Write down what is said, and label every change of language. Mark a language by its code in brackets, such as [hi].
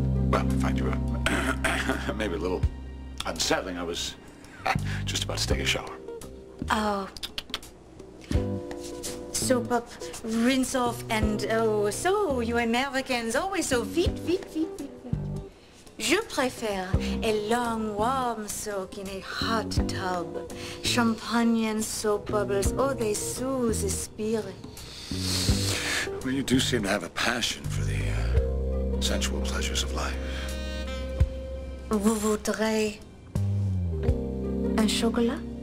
[en] Well, I find you maybe a little unsettling. I was just about to take a shower. Oh. Soap up, rinse off, and oh, so you Americans always so feet. [fr] Je préfère [en] a long, warm soak in a hot tub. Champagne and soap bubbles, oh, they soothe the spirit. Well, you do seem to have a passion for the sensual pleasures of life. [fr] Vous voudrez un chocolat?